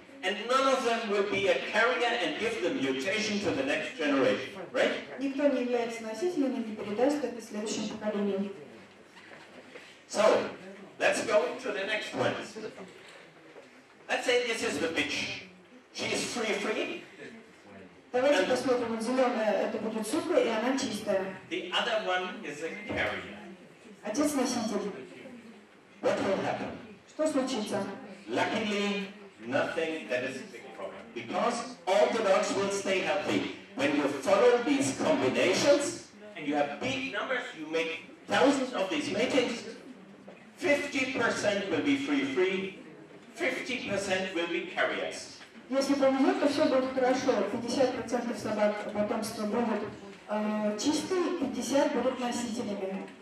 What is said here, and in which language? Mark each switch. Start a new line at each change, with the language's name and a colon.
English: And none of them will be a carrier and give the mutation to the next generation. Right?
Russian: Никто не является носителем и не передаст это следующему поколению.
English: So, let's go to the next one. Let's say this is the bitch. She is free-free.
Russian: Давайте посмотрим, вот зеленая это будет сука, и она чистая.
English: The other one is a carrier.
Russian: Отец носитель.
English: What will happen?
Russian: Что случится?
English: Luckily, nothing that is a big problem. Because all the dogs will stay healthy. When you follow these combinations, and you have big numbers, you make thousands of these matings, 50% will be free-free, 50% will be carriers.
Russian: Если повезет, то все будет хорошо. 50% собак потомства будут чистые, 50% будут носителями.